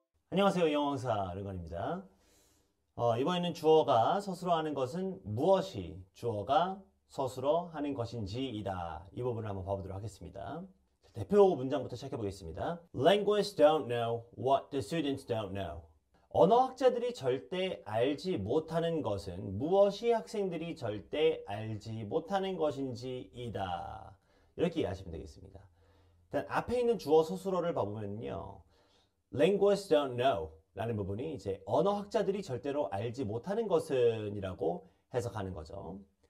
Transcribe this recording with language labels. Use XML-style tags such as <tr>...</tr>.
<ko>안녕하세요. 영어강사 르건입니다. 이번에는 주어가 서술어 하는 것은 무엇이 주어가 서술어 하는 것인지이다. 이 부분을 한번 봐보도록 하겠습니다. 대표 문장부터 시작해 보겠습니다.</ko> <en>Language don't know what the students don't know.</en> <ko>언어학자들이 절대 알지 못하는 것은 무엇이 학생들이 절대 알지 못하는 것인지이다. 이렇게 이해하시면 되겠습니다. 일단 앞에 있는 주어 서술어를 봐보면요.</ko> <en>Language don't know</en> <ko>라는 부분이 이제 언어학자들이 절대로 알지 못하는 것은 이라고 해석하는 거죠.</ko>